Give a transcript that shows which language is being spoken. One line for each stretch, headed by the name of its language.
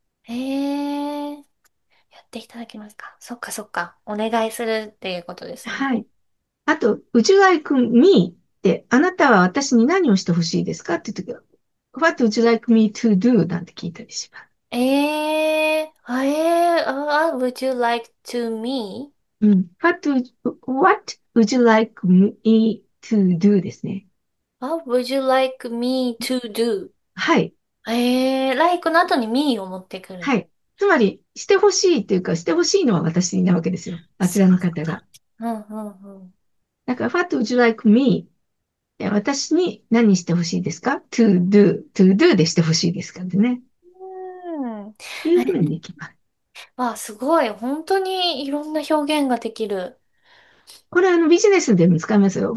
Japanese: へえ、やっていただけますか。そっかそっか、お願いするっていうことですよね。はい。あと、would you like me って、あなたは私に何をしてほしいですかって時は、
English: What would you like me to do?
Japanese: なんて聞いたりします。
English: Would you like to me? What would you like me to do?
Japanese: ですね。
English: What would you like me to do?
Japanese: はい。 like の後に me を持ってくる。はい。つまり、してほしいっていうか、してほしいのは私なわけですよ。あちらの方が。
English: だから、What would you like me?
Japanese: 私に何してほしいですか ?to do でしてほしいですかね。いうふうにできます。すごい。本当にいろんな表現ができる。これビジネスでも使いますよ。